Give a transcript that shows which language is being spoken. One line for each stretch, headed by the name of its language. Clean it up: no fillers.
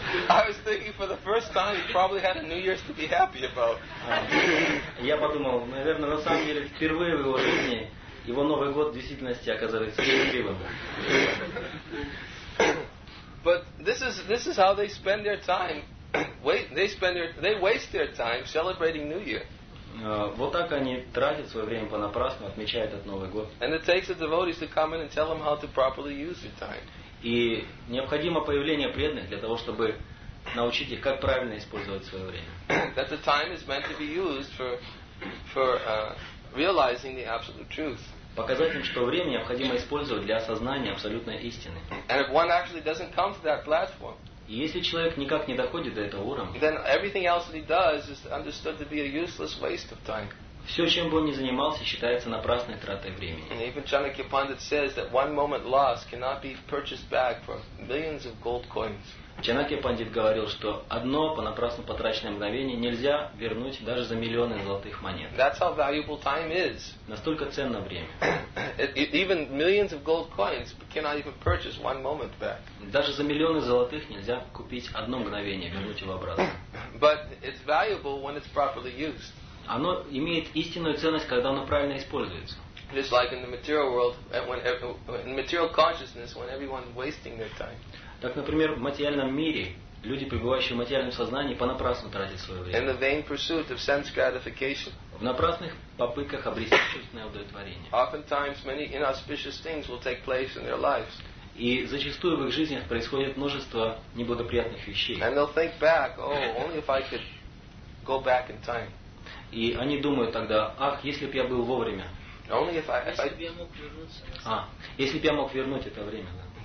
English: I was thinking for the first time he probably had a New Year's to be happy about.
Russian: Я подумал, наверное, на самом деле впервые в его жизни его Новый год в действительности оказался счастливым.
English: But this is how they spend their time. They waste their time celebrating New Year.
Russian: Вот так они тратят свое время понапрасну, отмечая этот Новый год.
English: And it takes the devotees to come in and tell them how to properly use their time.
Russian: И необходимо появление преданных для того, чтобы научить их, как правильно использовать свое время.
English: That the time is meant to be used for realizing the absolute truth.
Russian: Показать им, что время необходимо использовать для осознания абсолютной истины.
English: And if one actually doesn't come to that platform.
Russian: И если человек никак не доходит до этого уровня,
English: then everything else that he does is understood to be a useless waste of time.
Russian: Все, чем бы он ни занимался, считается напрасной тратой времени.
English: And even Chanakya Pandit says that one moment lost cannot be purchased back for millions of gold coins.
Russian: Чанакья Пандит говорил, что одно понапрасну потраченное мгновение нельзя вернуть даже за миллионы золотых монет.
English: That's how valuable time is.
Russian: Настолько ценно время.
English: Even millions of gold coins cannot even purchase one moment back.
Russian: Даже за миллионы золотых нельзя купить одно мгновение, вернуть его обратно.
English: But it's valuable when it's properly used.
Russian: Оно имеет истинную ценность, когда оно правильно используется.
English: Just like in the material world, in material consciousness, when everyone is wasting their time.
Russian: Так, например, в материальном мире люди, пребывающие в материальном сознании, понапрасну тратят свое время.
English: In the vain pursuit of sense gratification.
Russian: В напрасных попытках обрести чувственное удовлетворение.
English: Oftentimes many inauspicious things will take place in their lives.
Russian: И зачастую в их жизнях происходит множество неблагоприятных вещей.
English: And they'll think back, oh, only if I could go back in time.
Russian: И они думают тогда, ах, если б я был вовремя.
English: Only if I,
Russian: если б я мог вернуться. Если б я мог вернуть это время, да.